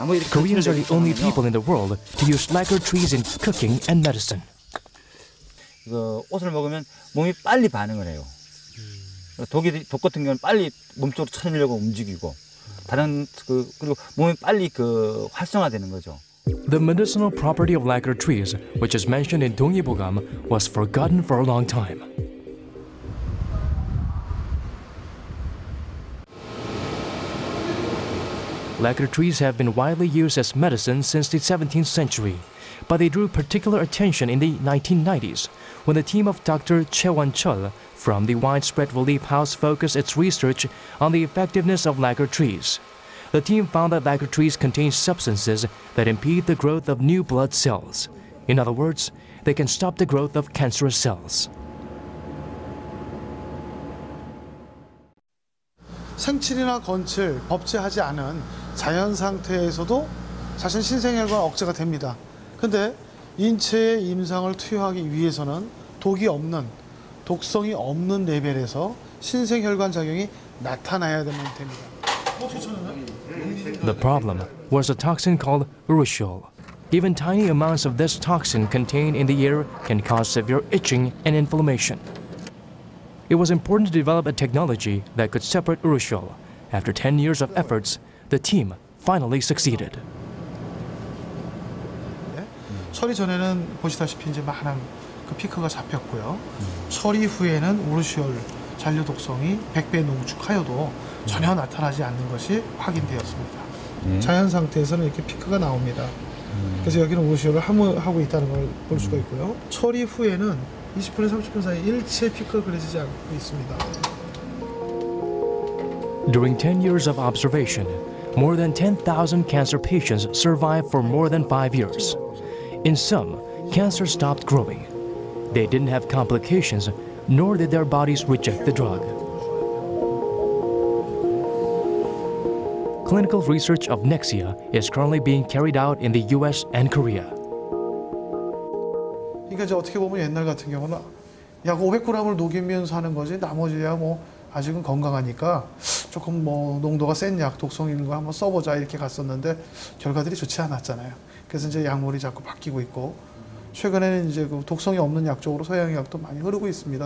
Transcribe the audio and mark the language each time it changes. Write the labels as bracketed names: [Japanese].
[English] Koreans are the only people in the world to use lacquer trees in cooking and medicine. [Korean] 이거 옷을 먹으면 몸이 빨리 반응을 해요. 독이 독 같은 경우는 빨리 몸쪽으로 쳐내려고 움직이고 다른 그 그리고 몸이 빨리 그 활성화되는 거죠. [English] The medicinal property of lacquer trees, which is mentioned in Dongyi Bogam, was forgotten for a long time. Lacquer trees have been widely used as medicine since the 17th century, but they drew particular attention in the 1990s when the team of Dr. Che Won-chul from the Widespread Relief House focused its research on the effectiveness of lacquer trees. The team found that lacquer trees contain substances that impede the growth of new blood cells. In other words, they can stop the growth of cancerous cells. [Korean] 생칠이나 건칠, 법제하지 않은 자연 상태에서도 자신 신생혈관 억제가 됩니다. 근데 인체에 임상을 투여하기 위해서는 독이 없는, 독성이 없는 레벨에서 신생혈관 작용이 나타나야 됩니다. [English] The problem was a toxin called urushiol. Even tiny amounts of this toxin contained in the ear can cause severe itching and inflammation. It was important to develop a technology that could separate urushiol. After 10 years of efforts, the team finally succeeded. [Korean] 처리 전에는 보시다시피 이제 많은 그 피크가 잡혔고요. 처리 후에는 우르시올 잔류 독성이 100배 농축하여도 전혀 나타나지 않는 것이 확인되었습니다. 자연 상태에서는 이렇게 피크가 나옵니다. 그래서 여기는 우르시올을 하고 있다는 걸 볼 수가 있고요. 처리 후에는 20분에 30분 사이에 일체 피크가 그려지지 않고 있습니다. [English] During 10 years of observation, more than 10,000 cancer patients survived for more than 5 years. In some, cancer stopped growing. They didn't have complications, nor did their bodies reject the drug. Clinical research of Nexia is currently being carried out in the US and Korea. [Korean] 그러니까 이제 어떻게 보면 옛날 같은 경우는 약 500g을 녹이면서 하는 거지 나머지야 뭐 아직은 건강하니까 조금 뭐 농도가 센 약 독성 있는 거 한번 써보자 이렇게 갔었는데 결과들이 좋지 않았잖아요. 그래서 이제 약물이 자꾸 바뀌고 있고 최근에는 이제 그 독성이 없는 약 쪽으로 서양 약도 많이 흐르고 있습니다.